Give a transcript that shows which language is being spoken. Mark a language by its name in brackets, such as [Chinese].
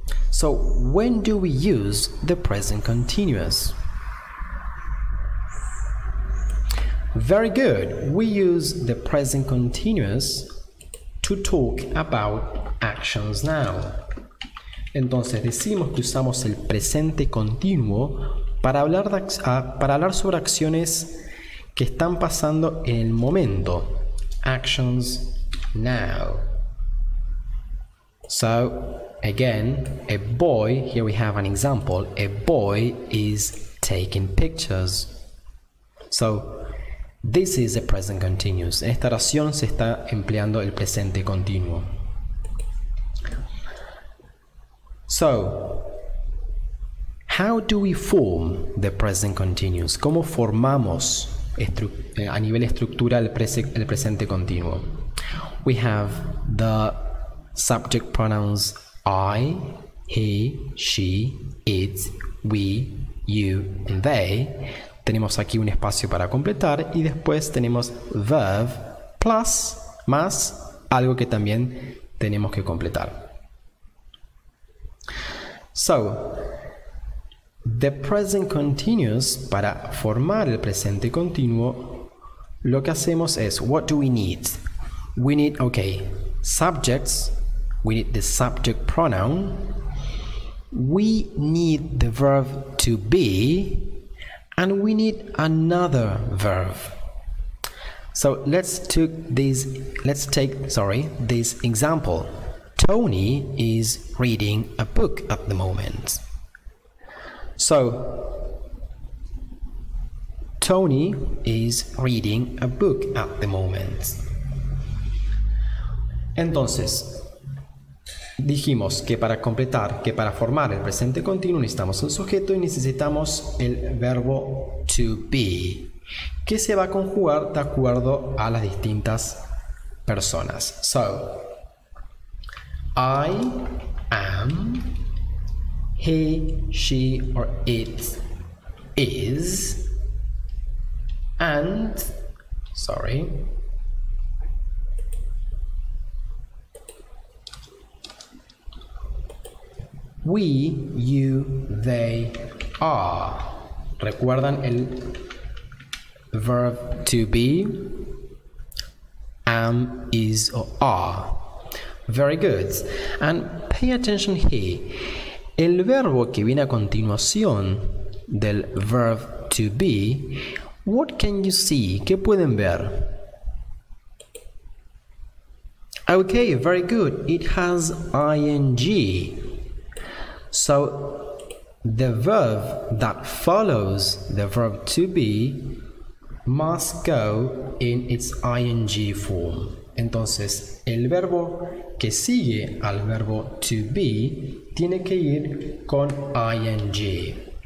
[English] So, when do we use the present continuous? Very good. We use the present continuous to talk about actions now. [Spanish] Entonces, decimos que usamos el presente continuo para hablar sobre acciones que están pasando en el momento. [English] Actions now. So, again, a boy, here we have an example, a boy is taking pictures. So, this is the present continuous. [Spanish] En esta oración se está empleando el presente continuo. [English] So, how do we form the present continuous? [Spanish] ¿Cómo formamos a nivel estructural el presente continuo? [English] We have the subject pronouns I, he, she, it, we, you, and they. [Spanish] Tenemos aquí un espacio para completar y después tenemos verb plus, más algo que también tenemos que completar. [English] So, the present continuous, [Spanish] para formar el presente continuo, Lo que hacemos es, [English] what do we need? We need, okay, subjects. We need the subject pronoun. We need the verb to be. And we need another verb. So let's take this example. Tony is reading a book at the moment. So Tony is reading a book at the moment. [Spanish] Entonces, dijimos que para completar, que para formar el presente continuo necesitamos un sujeto y necesitamos el verbo to be, que se va a conjugar de acuerdo a las distintas personas. [English] So, I am, he, she, or it is, and, sorry, we, you, they, are. [Spanish] ¿Recuerdan el verb to be? [English] Am, is, or are. Very good. And pay attention here. [Spanish] El verbo que viene a continuación del [English] verb to be, what can you see? [Spanish] ¿Qué pueden ver? [English] Okay, very good. It has ing. So, the verb that follows the verb to be must go in its ing form. [Spanish] Entonces, el verbo que sigue al verbo to be tiene que ir con ing.